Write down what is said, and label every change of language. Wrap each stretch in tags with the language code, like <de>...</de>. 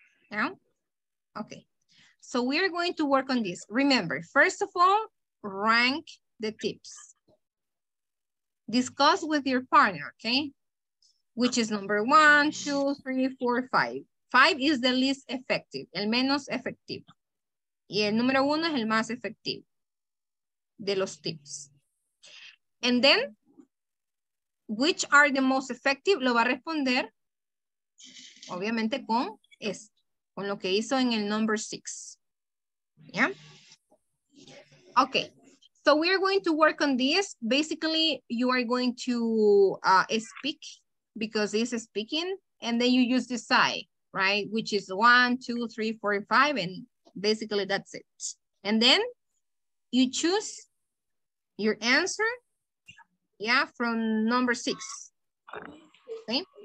<en>No? Okay. So we are going to work on this. Remember, first of all, rank the tips. Discuss with your partner, okay? Which is number one, two, three, four, five. Five is the least effective,</en> <es>el menos efectivo. Y el número uno es el más efectivo de los tips.</es> <en>And then, which are the most effective?</en> <es>Lo va a responder, obviamente, con esto, con lo que hizo en el</es> <en>number six. Yeah? Okay. So we are going to work on this. Basically, you are going to speak because it's speaking, and then you use the sigh, right? Which is one, two, three, four, five, and basically that's it. And then you choose your answer, yeah, from number six, okay?</en>